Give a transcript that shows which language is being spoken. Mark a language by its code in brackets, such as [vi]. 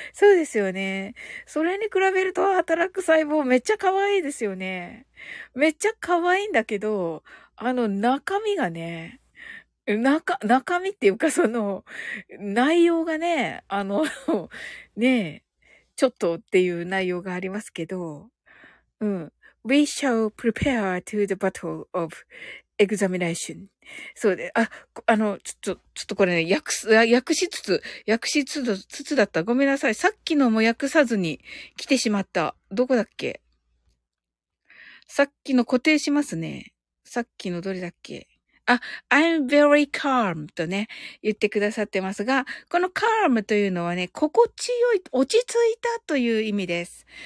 [ja] そうですよね。それに比べると、働く細胞めっちゃ可愛いですよね。めっちゃ可愛いんだけど、中身がね、中身っていうか、その、内容がね、ねえ、ちょっとっていう内容がありますけど、うん。 [en] We shall prepare to the battle of examination. [ja] そうで、ちょっとこれね、訳しつつだった。ごめんなさい。さっきのも訳さずに来てしまった。どこだっけ？さっきの固定しますね。さっきのどれだっけ？あ、 [en] I'm very calm [ja] とね、言ってくださってますが、この calm というのはね、心地よい、落ち着いたという意味です。